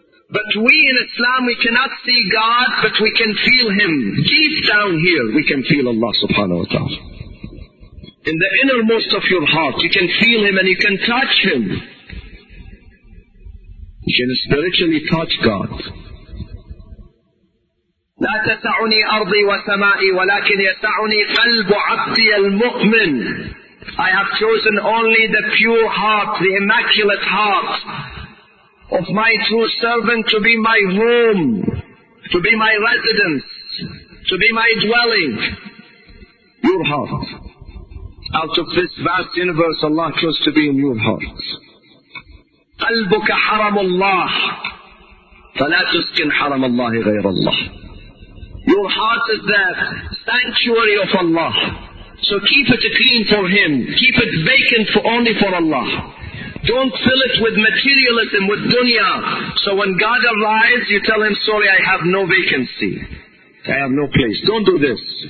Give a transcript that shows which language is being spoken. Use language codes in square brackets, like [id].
[en] But we in Islam, we cannot see God, but we can feel Him. Deep down here, we can feel Allah subhanahu wa ta'ala. In the innermost of your heart, you can feel Him and you can touch Him. You can spiritually touch God. [ar] لا تسعني أرضي وسمائي ولكن يسعني قلب عبدي المؤمن. [en] I have chosen only the pure heart, the immaculate heart of my true servant to be my home, to be my residence, to be my dwelling. Your heart. Out of this vast universe, Allah chose to be in your heart. [ar] قلبك حرم الله فلا تسكن حرم الله غير الله. [en] Your heart is the sanctuary of Allah. So keep it clean for Him. Keep it vacant for only for Allah. Don't fill it with materialism, with dunya. So when God arrives, you tell Him, sorry, I have no vacancy. I have no place. Don't do this.